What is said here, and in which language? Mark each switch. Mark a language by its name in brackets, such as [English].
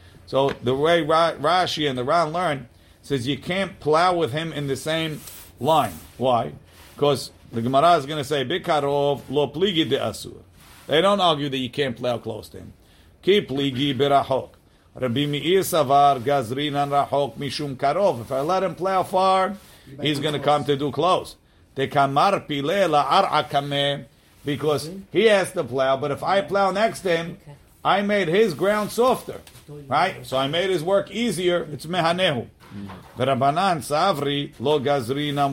[English] So the way Rashi and the Ran learn, says you can't plow with him in the same line. Why? Because the Gemara is going to say, [Aramaic] בקרוב לא פליגי דאסור. [English] They don't argue that you can't plow close to him. [Aramaic] כי פליגי ברחוק. רבי מאיר סבר, גזרינן רחוק משום קרוב. [English] If I let him plow far, he's going to come to do close. Because he has to plow, but if I plow next to him, I made his ground softer. Right? So I made his work easier. It's mehanehu. [Aramaic] Rabbanan savri lo gazrinam.